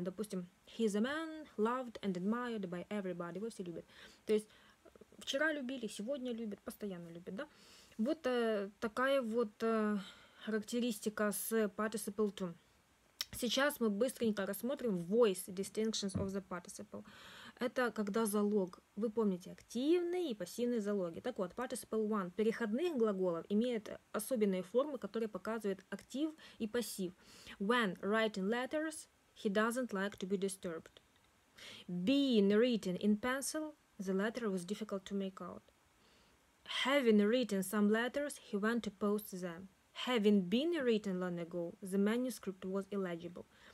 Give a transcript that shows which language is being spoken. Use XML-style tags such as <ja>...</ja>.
<en>Допустим, he's a man loved and admired by everybody.</en> <ru>Его все любят. То есть, вчера любили, сегодня любят, постоянно любят, да? Вот такая вот характеристика с participle II. Сейчас мы быстренько рассмотрим</ru> <en>voice distinctions of the participle.</en> <ru>Это когда залог. Вы помните, активные и пассивные залоги. Так вот, participle I переходных глаголов имеет особенные формы, которые показывают актив и пассив.</ru> <en>When writing letters, he doesn't like to be disturbed. Being written in pencil, the letter was difficult to make out. Having written some letters, he went to post them. Having been written long ago, the manuscript was illegible.</en>